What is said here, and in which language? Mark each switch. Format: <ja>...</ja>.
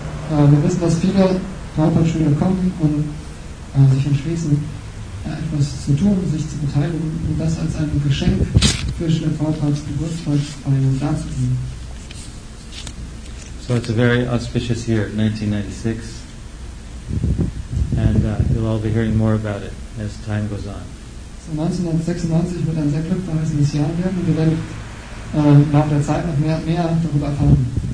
<de>Wir wissen, dass viele Prabhupada-Schüler kommen und sich entschließen, etwas zu tun, sich zu beteiligen und das als ein Geschenk für Srila Prabhupada's Geburtstagsfeier darzubringen.</de> <en>So it's a very auspicious year, 1996, and you'll all be hearing more about it as time goes on.</en> <de>So 1996 wird ein sehr glückverheißendes Jahr werden, und wir werden im Laufe der Zeit noch mehr darüber erfahren.</de>